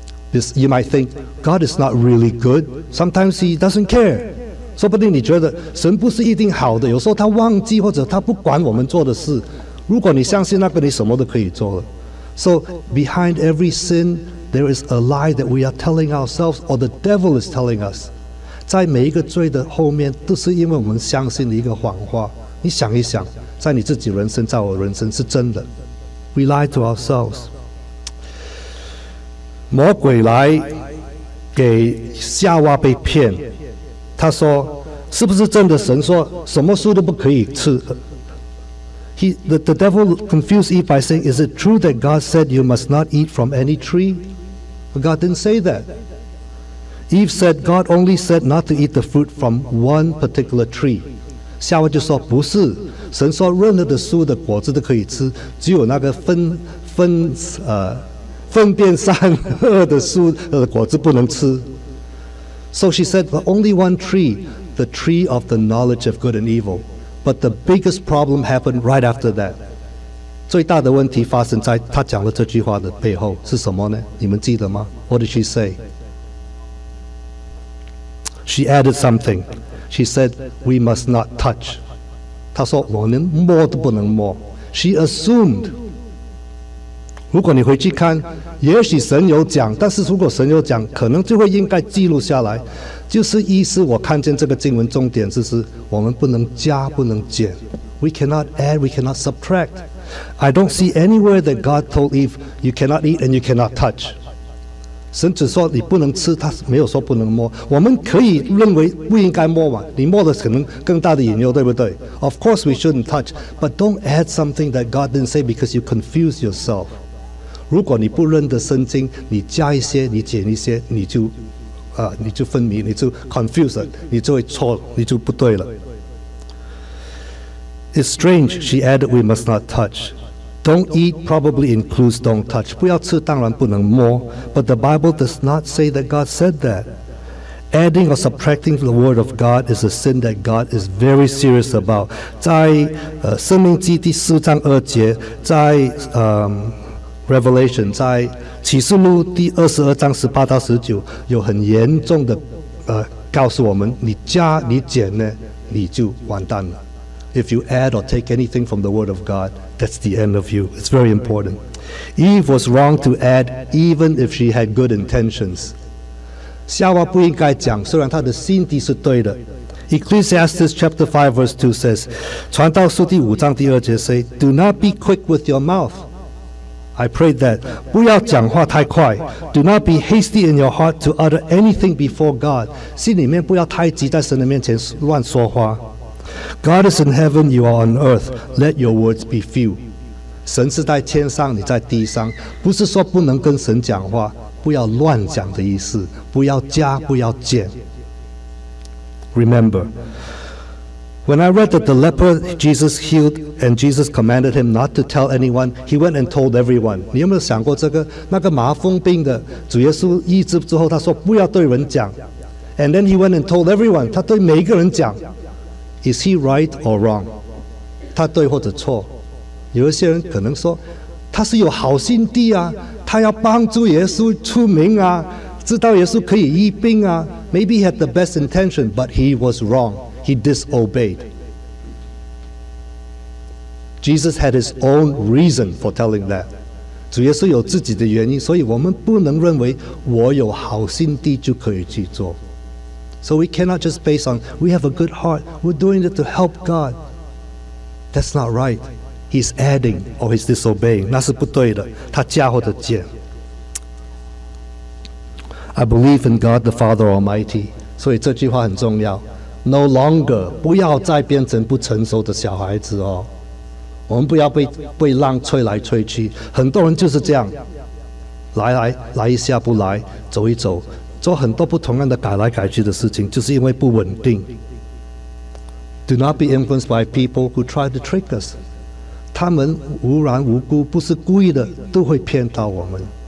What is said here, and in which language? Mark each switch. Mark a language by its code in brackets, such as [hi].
[en] This, You might think God is not really good. Sometimes he doesn't care. [zh] 说不定你觉得神不是一定好的，有时候他忘记或者他不管我们做的事。如果你相信那个，你什么都可以做了。 [en] So behind every sin there is a lie that we are telling ourselves or the devil is telling us. [zh] 在每一个罪的后面都是因为我们相信了一个谎话。你想一想，在你自己人生，在我人生是真的。 [en] We lie to ourselves. [zh] 魔鬼来给夏娃被骗，他说是不是真的，神说什么树都不可以吃。 [en] The devil confused Eve by saying, is it true that God said you must not eat from any tree? But God didn't say that. Eve said, God only said not to eat the fruit from one particular tree. [zh] 夏娃就说不是，神说任何的树的果子都可以吃，只有那个分辨善恶的树的果子不能吃。 [en] So she said, but only one tree, the tree of the knowledge of good and evil. But the biggest problem happened right after that. [zh] 最大的问题发生在她讲了这句话的背后是什么呢？你们记得吗？ [en] What did she say? She added something. She said, we must not touch. [zh] 她说我们摸都不能摸。 [en] She assumed [zh] 如果你回去看，也许神有讲，但是如果神有讲，可能就会应该记录下来。就是意思，我看见这个经文重点就是，我们不能加，不能减。 [en] We cannot add, we cannot subtract. I don't see anywhere that God told Eve, you cannot eat and you cannot touch. [zh] 神只说你不能吃，他没有说不能摸。我们可以认为不应该摸嘛，你摸了可能更大的引诱，对不对？ [en] Of course we shouldn't touch, but don't add something that God didn't say because you confuse yourself. [zh] 如果你不认得圣经，你加一些，你减一些，你就分离，你就 confuse 了，你就会错，你就不对了。 [en] It's strange, she added, we must not touch. Don't eat probably includes don't touch. [zh] 不要吃当然不能摸。 [en] But the Bible does not say that God said that. Adding or subtracting the word of God is a sin that God is very serious about. [zh] 在生命记第四章二节，在Revelation, 在启示录第二十二章十八到十九，有很严重的告诉我们，你加你减呢，你就完蛋了。 [en] If you add or take anything from the word of God, that's the end of you. It's very important. Eve was wrong to add, even if she had good intentions. [zh] 夏娃不应该讲，虽然她的心底是对的。 [en] Ecclesiastes chapter 5 verse 2 says, [zh] 传道书第五章第二节 [en] say, Do not be quick with your mouth. I pray that. [zh] 不要讲话太快。 [en] Do not be hasty in your heart to utter anything before God. [zh] 心里面不要太急，在神的面前乱说话。 [en] God is in heaven, you are on earth. Let your words be few. [zh] 神是在天上，你在地上。不是说不能跟神讲话，不要乱讲的意思，不要加，不要减。 [en] Remember, when I read that the leper Jesus healed and Jesus commanded him not to tell anyone, he went and told everyone. [zh] 你有没有想过这个？那个麻风病的，主耶稣医治之后，他说不要对人讲。 [en] And then he went and told everyone, [zh] 他对每一个人讲。 [en] Is he right or wrong? [zh] 他对或者错？有一些人可能说，他是有好心地啊，他要帮助耶稣出名啊，知道耶稣可以医病啊。 [en] Maybe he had the best intention, but he was wrong. He disobeyed. Jesus had his own reason for telling that. [zh] 主耶稣有自己的原因，所以我们不能认为我有好心地就可以去做。 [en] So we cannot just base on, we have a good heart, we're doing it to help God. That's not right. He's adding or he's disobeying. [zh] 那是不对的，他加或者减。 [en] I believe in God the Father Almighty. [zh] 所以这句话很重要。 [en] No longer, [zh] 不要再变成不成熟的小孩子哦。我们不要被浪吹来吹去。很多人就是这样。来一下不来，走一走。做很多不同样的改来改去的事情，就是因为不稳定。 [en] Do not be influenced by people who try to trick us. [zh] 他们无缘无故，不是故意的，都会骗到我们。